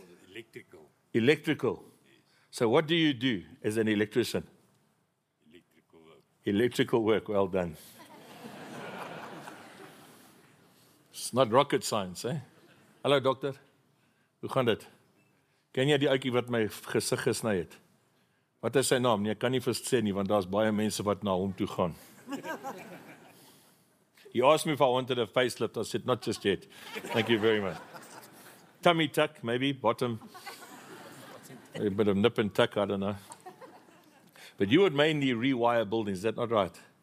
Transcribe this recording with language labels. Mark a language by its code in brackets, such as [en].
[en] Electrical. Electrical. So what do you do as an electrician? Electrical work. Electrical work. Well done. It's not rocket science, eh? Hello, doctor. [af] Hoe gaan dit? Ken jy die ouetjie wat my gesig gesny het? Wat is sy naam? Nee, ek kan nie verseë nie, want daar's baie mense wat na hom toe gaan. [en] He asked me if I wanted a facelift. I said, not just yet. Thank you very much. Tummy tuck, maybe, bottom. A bit of nip and tuck, I don't know. But you would mainly rewire buildings, is that not right?